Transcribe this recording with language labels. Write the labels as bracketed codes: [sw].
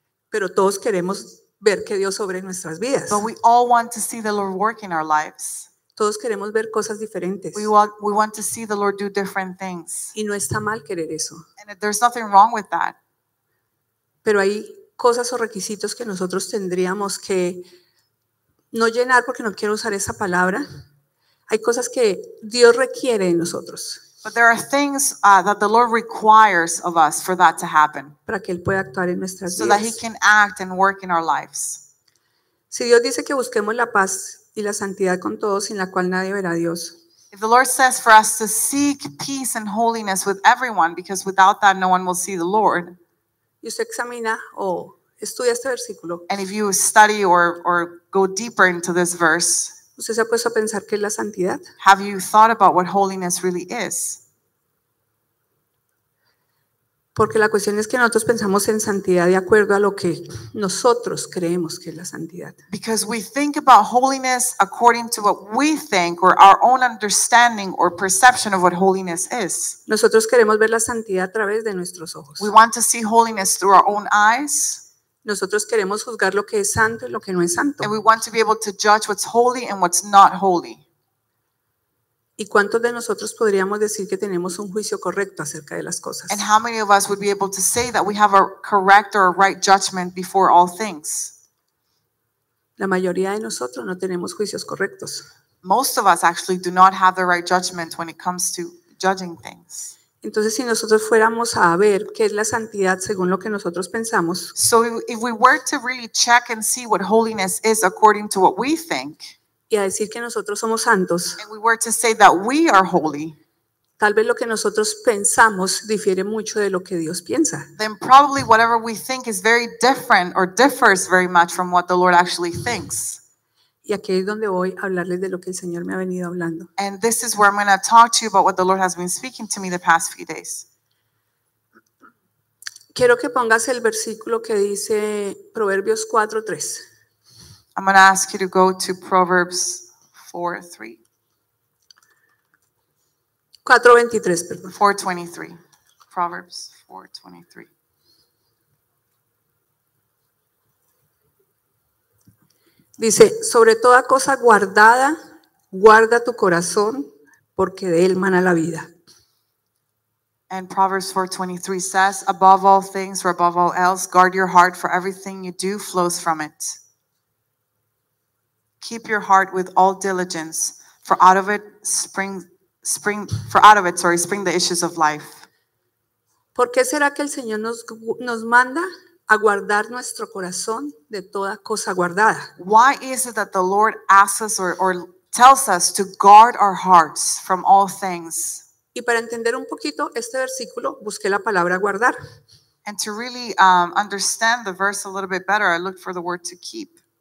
[es] Pero todos queremos ver que Dios obre en nuestras vidas. [en] But we all want to see the Lord work in our lives. [es] Todos queremos ver cosas diferentes. [en] We want to see the Lord do different things. [es] Y no está mal querer eso. [en] And there's nothing wrong with that. [es] Pero hay cosas o requisitos que nosotros tendríamos que no llenar porque no quiero usar esa palabra. Hay cosas que Dios requiere de nosotros. [en] But there are things that the Lord requires of us for that to happen. [es] Para que él pueda actuar en nuestras [en] so [es] vidas. [en] That he can act and work in our lives. [es] Si Dios dice que busquemos la paz y la santidad con todos, sin la cual nadie verá a Dios. [en] If the Lord says for us to seek peace and holiness with everyone, because without that no one will see the Lord. [es] Y usted examina o estudia este versículo. [en] And if you study or go deeper into this verse. [es] ¿Usted se ha puesto a pensar qué es la santidad? [en] Have you thought about what holiness really is? [es] Porque la cuestión es que nosotros pensamos en santidad de acuerdo a lo que nosotros creemos que es la santidad. [en] Because we think about holiness according to what we think or our own understanding or perception of what holiness is. [es] Nosotros queremos ver la santidad a través de nuestros ojos. [en] We want to see holiness through our own eyes. [es] Nosotros queremos juzgar lo que es santo y lo que no es santo. [en] And we want to be able to judge what's holy and what's not holy. [es] ¿Y cuántos de nosotros podríamos decir que tenemos un juicio correcto acerca de las cosas? [en] And how many of us would be able to say that we have a correct or a right judgment before all things? [es] La mayoría de nosotros no tenemos juicios correctos. [en] Most of us actually do not have the right judgment when it comes to judging things. [es] Entonces, si nosotros fuéramos a ver qué es la santidad según lo que nosotros pensamos, [en] so if we were to really check and see what holiness is according to what we think, [es] y a decir que nosotros somos santos, [en] and we were to say that we are holy, [es] tal vez lo que nosotros pensamos difiere mucho de lo que Dios piensa. [en] Then probably whatever we think is very different or differs very much from what the Lord actually thinks. [es] Y aquí es donde voy a hablarles de lo que el Señor me ha venido hablando. [en] And this is where I'm going to talk to you about what the Lord has been speaking to me the past few days. [es] Quiero que pongas el versículo que dice Proverbios 4:3. [en] I'm going to ask you to go to Proverbs 4:3. [es] 4:23, perdón. [en] 4:23. Proverbs 4:23. [es] Dice, sobre toda cosa guardada, guarda tu corazón, porque de él mana la vida. [en] And Proverbs 4:23 says, above all things or above all else, guard your heart, for everything you do flows from it. Keep your heart with all diligence, for out of it spring the issues of life. [es] ¿Por qué será que el Señor nos manda a guardar nuestro corazón de toda cosa guardada. [en] Why is it that the Lord asks us or tells us to guard our hearts from all things? [es] Y para entender un poquito este versículo, busqué la palabra guardar. [en] And to really understand the verse a little bit better, I looked for the word to keep.